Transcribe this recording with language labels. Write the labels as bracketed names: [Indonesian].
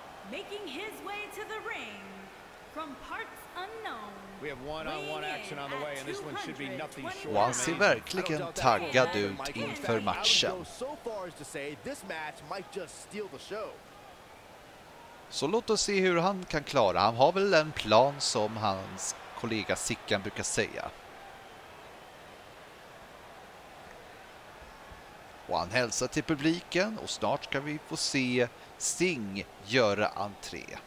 [English] Making his way to the ring from parts unknown. We have one-on-one action on the way and this one should be nothing short. [Swedish] Han ser verkligen taggad ut inför matchen. [English] So far as to say this match might just steal the show. [Swedish] Så låt oss se hur han kan klara. Han har väl en plan som hans kollega Sickan brukar säga. Och han hälsar till publiken och snart ska vi få se Sting göra entré.